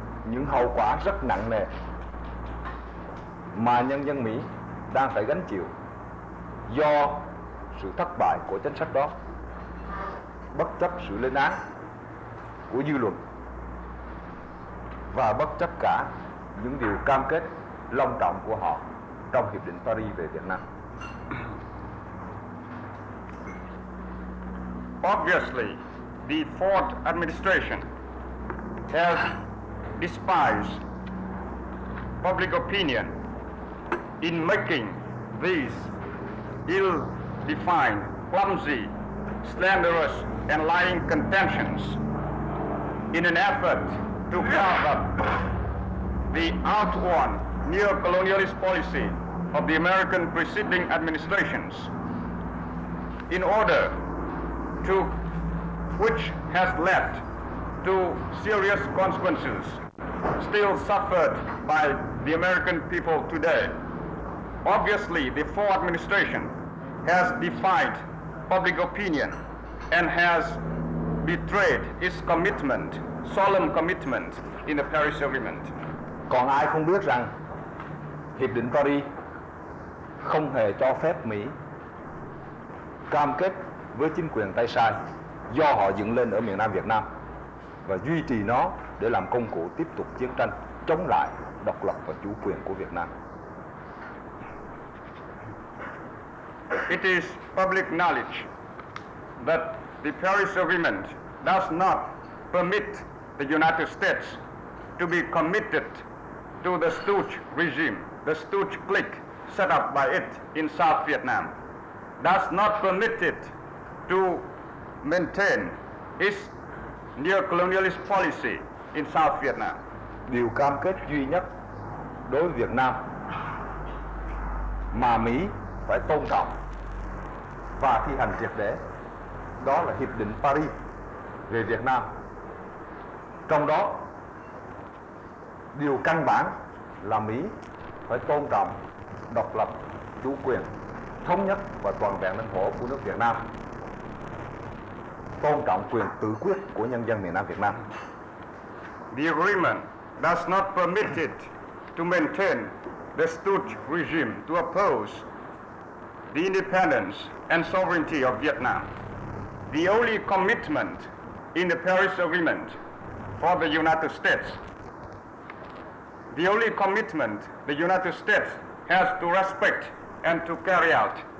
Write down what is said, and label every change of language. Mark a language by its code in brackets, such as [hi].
[vi] những hậu quả rất nặng nề mà nhân dân Mỹ đang phải gánh chịu do sự thất bại của chính sách đó, bất chấp sự lên án của dư luận và bất chấp cả những điều cam kết long trọng của họ trong Hiệp định Paris về Việt Nam. [en] Obviously, the Ford administration has despised public opinion in making these ill-defined, clumsy, slanderous, and lying contentions in an effort to cover up the outworn neo-colonialist policy of the American preceding administrations in order to which has led to serious consequences still suffered by the American people today. Obviously, the Ford administration has defied public opinion and has betrayed its commitment, solemn commitment, in the Paris Agreement. [vi] Còn ai không biết rằng Hiệp định Paris không hề cho phép Mỹ cam kết với chính quyền tay sai do họ dựng lên ở miền Nam Việt Nam và duy trì nó để làm công cụ tiếp tục chiến tranh chống lại độc lập và chủ quyền của Việt Nam. [en] It is public knowledge that the Paris Agreement does not permit the United States to be committed to the Stooge regime, the Stooge clique set up by it in South Vietnam, does not permit it to maintain its neo-colonialist policy in South Vietnam. [vi] Điều cam kết duy nhất đối với Việt Nam mà Mỹ phải tôn trọng và thi hành triệt để đó là Hiệp định Paris về Việt Nam. Trong đó, điều căn bản là Mỹ phải tôn trọng độc lập, chủ quyền, thống nhất và toàn vẹn lãnh thổ của nước Việt Nam. tôn trọng quyền tự quyết của nhân dân miền Nam Việt Nam. [en] The agreement does not permit it to maintain the Stooge regime to oppose the independence and sovereignty of Vietnam. The only commitment in the Paris Agreement for the United States, the only commitment the United States has to respect and to carry out